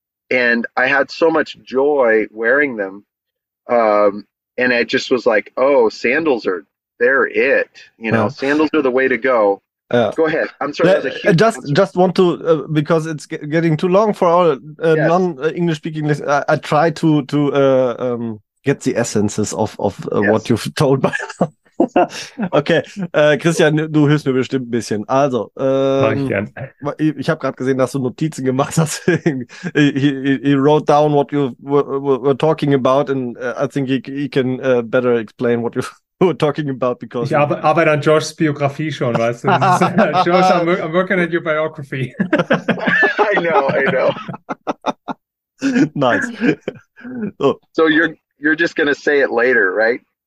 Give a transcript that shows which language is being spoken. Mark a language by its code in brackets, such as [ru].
[en] And I had so much joy wearing them. And I just was like, oh, sandals are, they're it. You know, sandals are the way to go. Go ahead. I'm sorry. I just want to, because it's getting too long for our non-English speaking listeners. I try to get the essences of what you've told by now. [de] Okay, Christian, du hilfst mir bestimmt ein bisschen. Also, ich habe gerade gesehen, dass du Notizen gemacht hast. [en] he wrote down what you were talking about, and I think he can better explain what you were talking about. Because [de] ich arbeite an Josh's Biografie schon, weißt du? [en] Josh, I'm working at your biography. I know. Nice. So you're just gonna say it later, right?